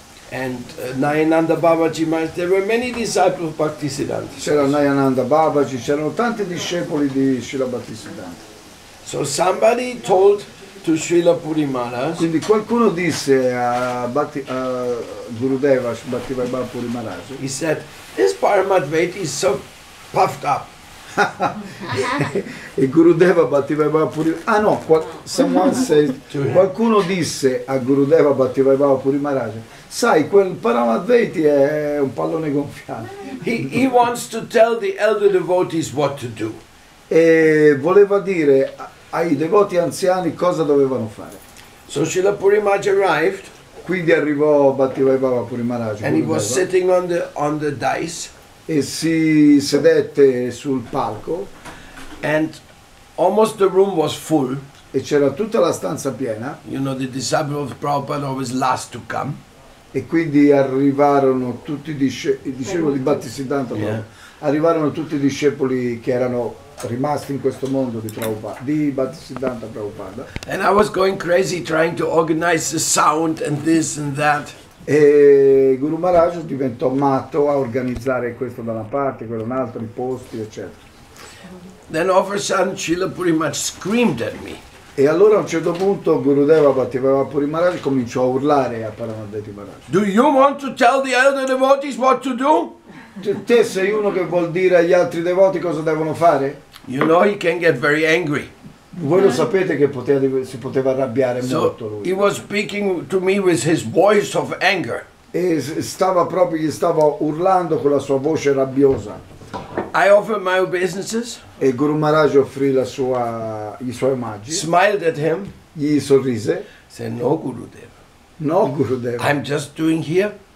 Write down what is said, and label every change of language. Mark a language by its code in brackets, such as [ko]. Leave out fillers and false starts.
[en] And Nayananda Babaji Maharaj, there were many disciples of Bhaktisiddhanta. [it] C'era Nayananda Babaji, c'erano tanti discepoli di Srila Bhaktisiddhanta. [en] So somebody told to Srila Puri Maharaj. [it] Quindi qualcuno disse a Gurudeva Bhakti Vaibhava Puri Maharaj. [en] He said, "This Paramadvaiti is so puffed up." [it] E Gurudeva Bhakti Vaibhava Puri. [en] Ah no, someone said. [it] Qualcuno disse a Gurudeva Bhakti Vaibhava Puri Maharaj. Sai, quel Paramadvaiti è un pallone gonfiato. [en] He wants to tell the elder devotees what to do. [it] E voleva dire ai devoti anziani cosa dovevano fare. [en] So Srila Puri Maharaj arrived. [it] Quindi arrivò Bhakti Vaibhava Puri Maharaj. [en] And he was sitting on the dais. [it] E si sedette sul palco. [en] And almost the room was full. [it] E c'era tutta la stanza piena. [en] You know, the disciples of Prabhupada always last to come. [it] E quindi arrivarono tutti i discepoli di Bhaktisiddhanta. Yeah. Arrivarono tutti i discepoli che erano rimasti in questo mondo di Bhaktisiddhanta Prabhupada. [en] And I was going crazy trying to organize the sound and this and that. [it] E Guru Maharaj diventò matto a organizzare questo da una parte, quello un altro, i posti, eccetera. [en] Then all of a sudden Srila Puri Maharaj screamed at me. [it] E allora a un certo punto Gurudeva Bhakti Vaibhava Puri Maharaj cominciò a urlare a Paramadvaiti Maharaj. [en] Do you want to tell the elder devotees what to do? [it] Te sei uno che vuol dire agli altri devoti cosa devono fare? [en] You know he can get very angry. [it] Voi lo sapete che si poteva arrabbiare molto lui. [en] He was speaking to me with his voice of anger. [it] E gli stava urlando con la sua voce rabbiosa. [en] I offered my obeisances. [it] E Guru Maharaj offrì i suoi omaggi. [en] Smiled at him. [it] Gli sorrise. [en] Said, no Gurudeva. [it] No Gurudeva. [en] I'm just doing here.